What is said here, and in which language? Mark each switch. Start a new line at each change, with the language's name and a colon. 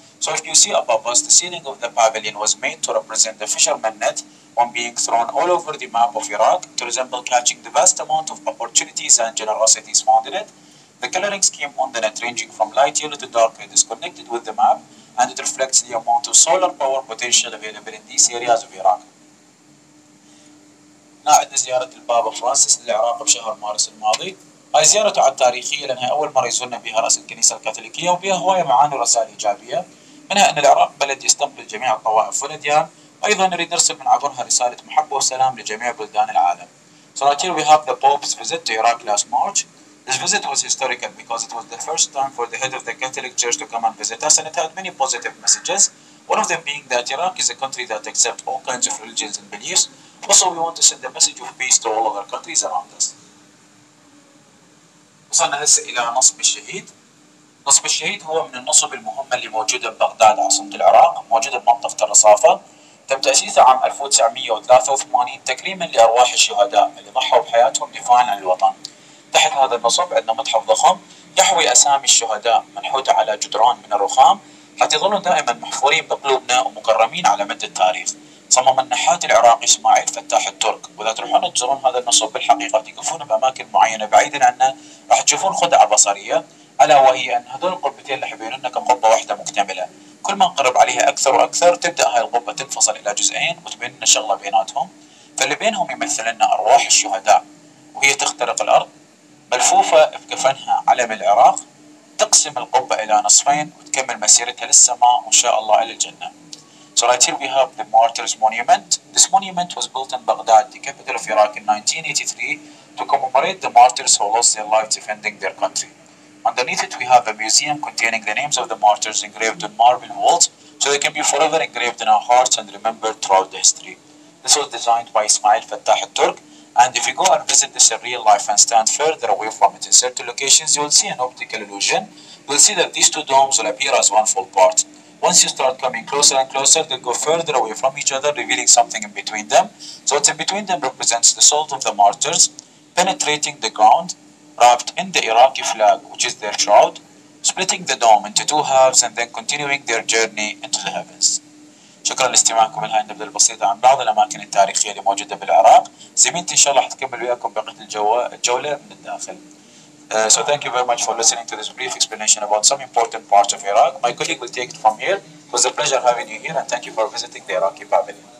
English: So if you see above us, the ceiling of the pavilion was made to represent the fisherman net on being thrown all over the map of Iraq to resemble catching the vast amount of opportunities and generosities found in it. The coloring scheme on the net, ranging from light yellow to dark red, is connected with the map, and it reflects the amount of solar power potential available in these areas of Iraq.
Arabic: عندنا زيارة البابا فرانسيس للعراق بشهر مارس الماضي. هاي زيارته على التاريخية لأنها أول مرة يزورنا بها رأس الكنيسة الكاثوليكية، وبها هواية معاني ورسائل إيجابية، منها أن العراق بلد يستقبل جميع الطوائف والأديان، وأيضا نريد نرسل من عبرها رسالة محبة وسلام لجميع بلدان العالم.
English: So right here we have the Pope's visit to Iraq last March. This visit was historical because it was the first time for the head of the Catholic Church to come and visit us, and it had many positive messages. One of them being that Iraq is a country that accepts all kinds of religions and beliefs. Also, we want to send a message of peace to all other countries around us.
Arabic: وصلنا هسه إلى نصب الشهيد. نصب الشهيد هو من النصب المهمة اللي موجودة ببغداد عاصمة العراق، موجودة بمنطقة الرصافة. تم تأسيسه عام 1983 تكريما لأرواح الشهداء اللي ضحوا بحياتهم دفاعا عن الوطن. تحت هذا النصب عندنا متحف ضخم يحوي أسامي الشهداء منحوتة على جدران من الرخام، حتى يظلوا دائما محفورين بقلوبنا ومكرمين على مدى التاريخ. صمم النحات العراقي إسماعيل فتاح الترك، وإذا تروحون تزورون هذا النصب بالحقيقة تقفون بأماكن معينة بعيدا عنه راح تشوفون خدعة بصرية، ألا وهي أن هذول القبتين اللي حبينا أنكم قبة واحدة مكتملة. كل ما نقرب عليها أكثر وأكثر تبدأ هاي القبة تنفصل إلى جزئين وتبين لنا شغلة بيناتهم، فاللي بينهم يمثل لنا أرواح الشهداء، وهي تخترق الأرض ملفوفة بكفنها علم العراق، تقسم القبة إلى نصفين وتكمل مسيرتها للسماء وإن شاء الله إلى الجنة.
English: So right here we have the Martyrs Monument. This monument was built in Baghdad, the capital of Iraq, in 1983 to commemorate the martyrs who lost their lives defending their country. Underneath it we have a museum containing the names of the martyrs engraved on marble walls so they can be forever engraved in our hearts and remembered throughout the history. This was designed by Ismail Fattah al-Turk, and if you go and visit this in real life and stand further away from it in certain locations, you will see an optical illusion. You will see that these two domes will appear as one full part. Once you start coming closer and closer, they go further away from each other, revealing something in between them. So what's in between them represents the souls of the martyrs penetrating the ground, wrapped in the Iraqi flag, which is their shroud, splitting the dome into two halves, and then continuing their journey into the heavens.
Arabic: شكرا لاستماعكم لهذه النبذة البسيطة عن بعض الأماكن التاريخية اللي موجودة بالعراق. زميلتي إن شاء الله حتكمل وياكم بقية الجولة من الداخل.
English: So thank you very much for listening to this brief explanation about some important parts of Iraq. My colleague will take it from here. It was a pleasure having you here, and thank you for visiting the Iraqi Pavilion.